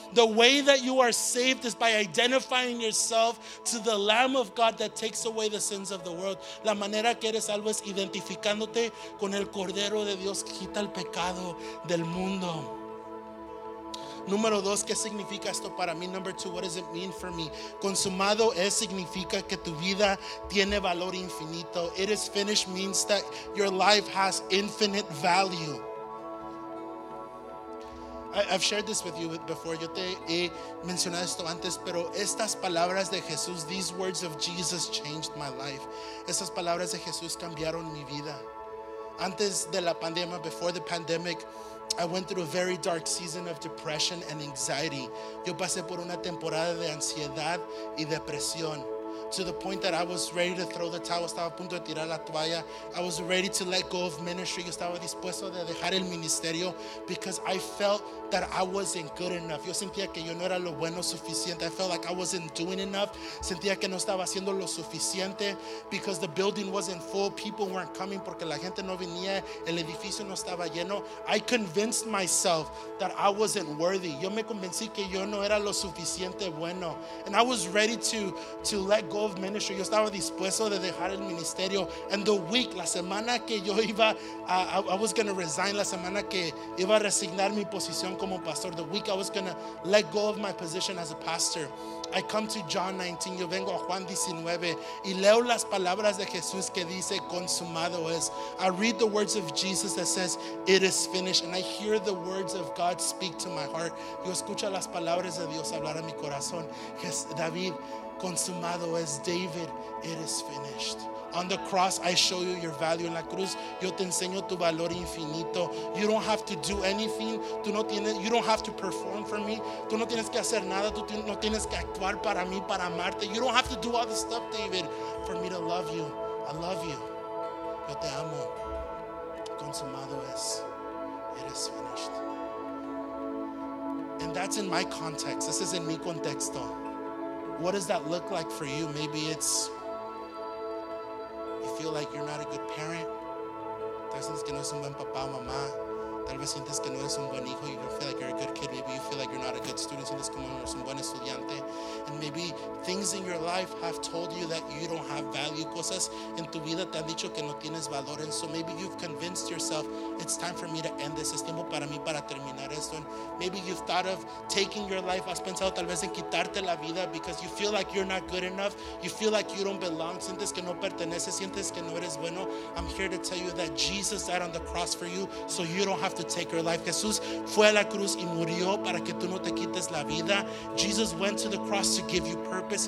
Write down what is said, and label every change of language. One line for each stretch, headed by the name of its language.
English: The way that you are saved is by identifying yourself to the Lamb of God that takes away the sins of the world.
Spanish: La manera que eres salvo es identificándote con el Cordero de Dios que quita el pecado del mundo. Número dos, ¿qué significa esto para mí?
English: Number two, what does it mean for me?
Spanish: Consumado es, significa que tu vida tiene valor infinito.
English: It is finished means that your life has infinite value. I've shared this with you before.
Spanish: Yo te he mencionado esto antes, pero estas palabras de Jesús,
English: these words of Jesus changed my life.
Spanish: Estas palabras de Jesús cambiaron mi vida. Antes de la pandemia,
English: before the pandemic, I went through a very dark season of depression and anxiety.
Spanish: Yo pasé por una temporada de ansiedad y depresión,
English: to the point that I was ready to throw the towel.
Spanish: Estaba a punto de tirar la toalla.
English: I was ready to let go of ministry.
Spanish: Yo estaba dispuesto de dejar el ministerio
English: because I felt that I wasn't good enough.
Spanish: Yo sentía que yo no era lo bueno suficiente.
English: I felt like I wasn't doing enough.
Spanish: Sentía que no estaba haciendo lo suficiente
English: because the building wasn't full. People weren't coming
Spanish: porque la gente no venía. El edificio no estaba lleno.
English: I convinced myself that I wasn't worthy.
Spanish: Yo me convencí que yo no era lo suficiente bueno.
English: And I was ready to let go of ministry.
Spanish: Yo estaba dispuesto de dejar el ministerio.
English: And the week,
Spanish: la semana que yo iba,
English: I was going to resign,
Spanish: la semana que iba a resignar mi posición como pastor,
English: the week I was going to let go of my position as a pastor, I come to John 19,
Spanish: yo vengo a Juan 19 y leo las palabras de Jesús que dice, consumado es.
English: I read the words of Jesus that says, it is finished. And I hear the words of God speak to my heart.
Spanish: Yo escucho las palabras de Dios hablar a mi corazón. David, consumado es.
English: David, it is finished. On the cross, I show you your value.
Spanish: En la cruz, yo te enseño tu valor infinito.
English: You don't have to do anything.
Spanish: Tú no tienes,
English: you don't have to perform for me.
Spanish: Tú no tienes que hacer nada. Tú no tienes que actuar para mí, para amarte.
English: You don't have to do all the stuff, David, for me to love you. I love you.
Spanish: Yo te amo. Consumado es.
English: It is finished. And that's in my context. This is in
Spanish: mi contexto.
English: What does that look like for you? Maybe it's you feel like you're not a good parent.
Spanish: Tal vez sientes que no eres un buen papá o mamá. Tal vez sientes que no eres un buen hijo.
English: You don't feel like you're a good kid. Maybe you feel like you're not a good student.
Spanish: Sientes como no eres un buen estudiante.
English: And maybe things in your life have told you that you don't have value.
Spanish: Cosas en tu vida te han dicho que no tienes valor.
English: And so maybe you've convinced yourself, it's time for me to end this.
Spanish: Es tiempo para mí para terminar esto.
English: And maybe you've thought of taking your life.
Spanish: Has pensado tal vez en quitarte la vida
English: because you feel like you're not good enough. You feel like you don't belong.
Spanish: Sientes que no perteneces. Sientes que no eres bueno.
English: I'm here to tell you that Jesus died on the cross for you so you don't have to take your life.
Spanish: Jesús fue a la cruz y murió para que tú no te quites la vida.
English: Jesus went to the cross to give you purpose.